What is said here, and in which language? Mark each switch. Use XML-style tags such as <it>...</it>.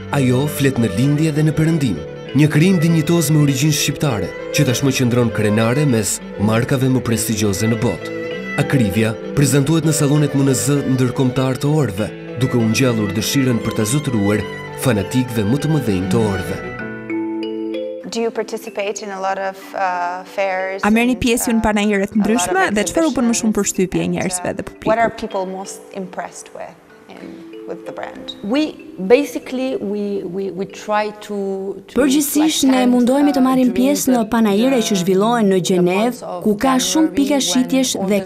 <sq>Ajo flet në lindje dhe në perëndim, një krijim dinjitoz me origjinë shqiptare, që tashmë qëndron krenare mes markave më prestigjioze në botë. Akrivja prezantohet në sallonet MNZ ndërkombëtar të orëve, duke u ngjallur dëshirën për ta zotëruar fanatikëve më të mëdhenj të orëve.</sq> <en>Do you participate in a lot of fairs?</en> <sq>A merrni pjesë në panajire të ndryshme dhe çfarë u bën më shumë përshtypje njerëzve dhe publikut?</sq> <en>What are people most impressed with with the brand? We try to</en> <sq>përgjithsisht ne mundohemi të marrim pjesë në panajire që zhvillohen në Gjenevë, ku ka shumë pika shitjesh dhe</sq>